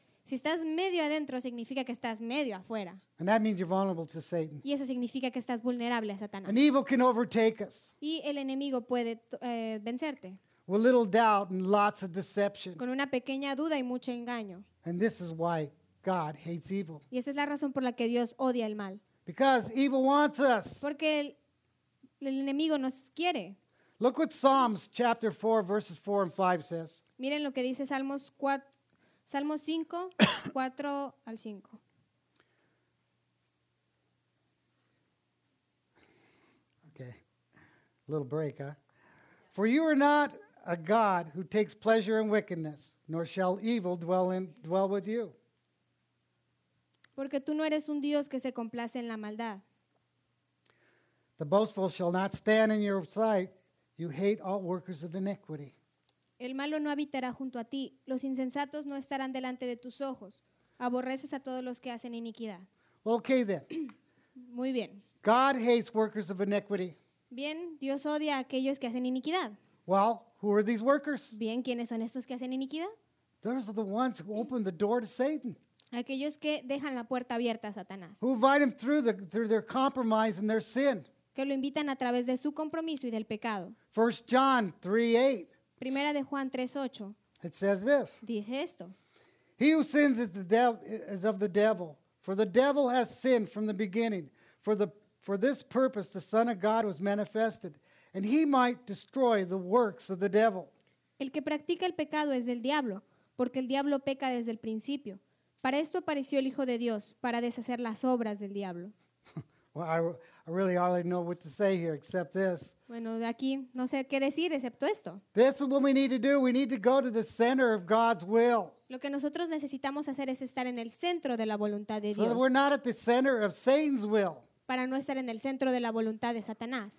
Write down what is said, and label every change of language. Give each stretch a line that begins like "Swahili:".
Spanish: Si estás medio adentro, significa que estás medio afuera.
English: And that means you're vulnerable to Satan.
Spanish: Y eso significa que estás vulnerable a Satanás.
English: And evil can overtake us.
Spanish: Y el enemigo puede vencerte.
English: With little doubt and lots of deception.
Spanish: Con una pequeña duda y mucho engaño.
English: And this is why God hates evil.
Spanish: Y esa es la razón por la que Dios odia el mal.
English: Because evil wants us.
Spanish: Porque el enemigo nos quiere.
English: Look what Psalms chapter 4, verses 4 and 5 says.
Spanish: Miren lo que dice Salmos 4. Salmo 5, 4 al 5.
English: Okay. A little break, huh? For you are not a God who takes pleasure in wickedness, nor shall evil dwell with you.
Spanish: Porque tú no eres un Dios que se complace en la maldad.
English: The boastful shall not stand in your sight. You hate all workers of iniquity.
Spanish: El malo no habitará junto a ti. Los insensatos no estarán delante de tus ojos. Aborreces a todos los que hacen iniquidad.
English: Okay, then.
Spanish: Muy bien.
English: God hates workers of iniquity.
Spanish: Bien, Dios odia a aquellos que hacen iniquidad.
English: Well, who are these workers?
Spanish: Bien, ¿quiénes son estos que hacen iniquidad?
English: Those are the ones who open the door to Satan.
Spanish: Aquellos que dejan la puerta abierta a Satanás.
English: Who invite him through their compromise and their sin.
Spanish: Que lo invitan a través de su compromiso y del pecado.
English: 1 John 3:8.
Spanish: Primera de Juan 3:8.
English: It says this.
Spanish: Dice esto.
English: He who sins is of the devil, for the devil has sinned from the beginning. For this purpose the Son of God was manifested, and he might destroy the works of the devil.
Spanish: El que practica el pecado es del diablo, porque el diablo peca desde el principio. Para esto apareció el Hijo de Dios, para deshacer las obras del diablo.
English: Well, I really hardly know what to say here except this.
Spanish: Bueno, de aquí no sé qué decir excepto esto.
English: This is what we need to do. We need to go to the center of God's will.
Spanish: Lo que nosotros necesitamos hacer es estar en el centro de la voluntad de Dios.
English: So we're not at the center of Satan's will.
Spanish: Para no estar en el centro de la voluntad de Satanás.